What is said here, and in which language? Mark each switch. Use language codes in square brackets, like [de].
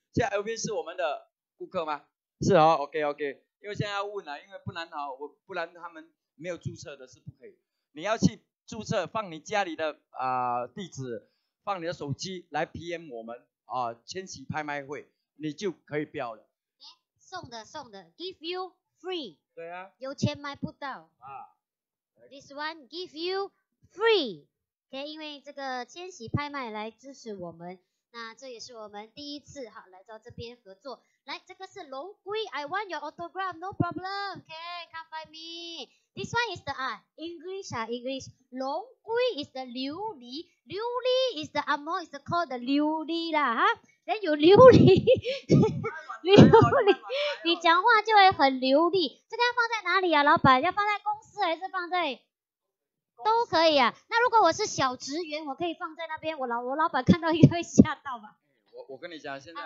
[zh] 现在 LV 是我们的顾客吗？是哦 ，OK， 因为现在要问啊，因为不然他们没有注册的是不可以。你要去注册，放你家里的地址，放你的手机来 PM 我们啊，千禧拍卖会，你就可以标了。送的 ， [en] give you free。 [zh] 对啊。有钱买不到。啊。 [en] This one give you free。 [zh] 可以因为这个千禧拍卖来支持我们，那这也是我们第一次哈来到这边合作。来，这个是龙龟 [en] ，I want your autograph, no problem, can come find me. This one is the English, English. 龙龟 is the 琉璃，琉璃 is the amount, is called the 琉璃啦，哈。 [zh] 人有琉璃，琉璃，你讲话就会很流利。这个要放在哪里啊，老板？要放在公司还是放在？都可以啊。那如果我是小职员，我可以放在那边，我老板看到应该会吓到吧？我跟你讲，现在、